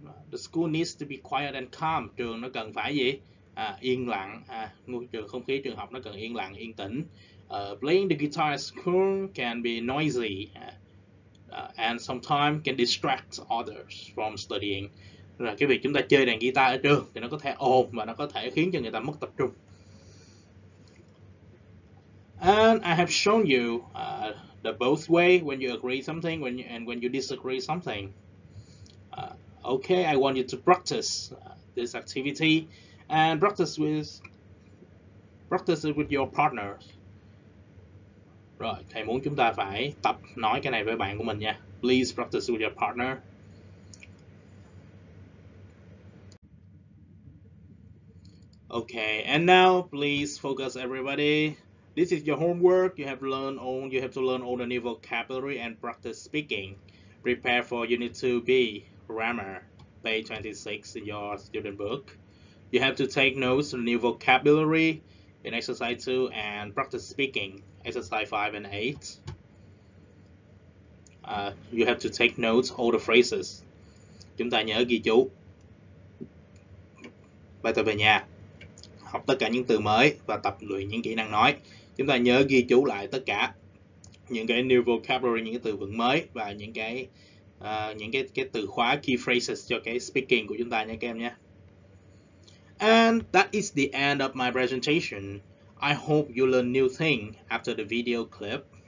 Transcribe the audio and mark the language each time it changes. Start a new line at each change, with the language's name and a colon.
English: The school needs to be quiet and calm.
Vietnamese: Trường nó cần phải gì? Yên lặng. Ngôi trường, không khí trường học nó cần yên lặng, yên tĩnh.
English: Playing the guitar at school can be noisy. And sometimes can distract others from studying.
Vietnamese: Rồi cái việc chúng ta chơi đàn guitar ở trường thì nó có thể ồn và nó có thể khiến cho người ta mất tập trung.
English: And I have shown you the both way when you agree something and when you disagree something. Okay, I want you to practice this activity and practice it with your partners.
Vietnamese: Rồi, thầy muốn chúng ta phải tập nói cái này với bạn của mình nha.
English: Please practice with your partner. Okay, and now please focus everybody. This is your homework. You have learned all. You have to learn all the new vocabulary and practice speaking. Prepare for Unit 2B grammar, page 26 in your student book. You have to take notes on new vocabulary in exercise 2 and practice speaking, exercise 5 and 8. You have to take notes all the phrases.
Vietnamese: Chúng ta nhớ ghi chú. Bài tập về nhà. Học tất cả những từ mới và tập luyện những kỹ năng nói. Chúng ta nhớ ghi chú lại tất cả những cái new vocabulary, những cái từ vựng mới và những cái từ khóa key phrases cho cái speaking của chúng ta nha các em nhé.
English: And that is the end of my presentation. I hope you learn new thing after the video clip.